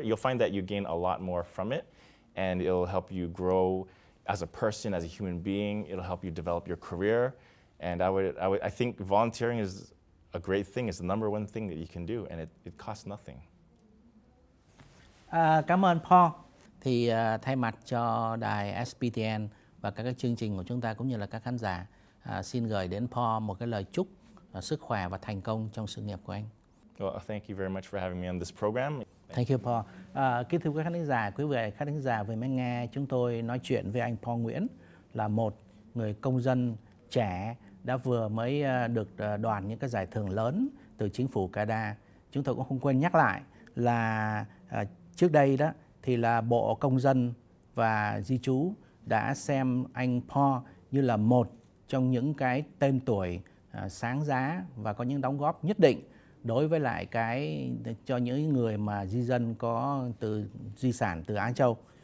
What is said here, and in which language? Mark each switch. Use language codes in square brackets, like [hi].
[en] You'll find that you gain a lot more from it and it'll help you grow as a person, as a human being. It'll help you develop your career. And I think volunteering is a great thing. It's the number one thing that you can do and it costs nothing. [vi] Cảm ơn Paul. Thì thay mặt cho đài SPTN và các cái chương trình của chúng ta cũng như là các khán giả, xin gửi đến Paul một cái lời chúc sức khỏe và thành công trong sự nghiệp của anh. [en] Well, thank you very much for having me on this program. Thank you, Paul. [vi] Kính thưa quý khán giả, quý vị khán giả vừa mới nghe chúng tôi nói chuyện với anh Paul Nguyễn, là một người công dân trẻ đã vừa mới được đoàn những cái giải thưởng lớn từ chính phủ Canada. Chúng tôi cũng không quên nhắc lại là trước đây đó thì là Bộ Công dân và Di trú đã xem anh Paul như là một trong những cái tên tuổi sáng giá và có những đóng góp nhất định đối với lại cái cho những người mà di dân có từ di sản từ Á Châu.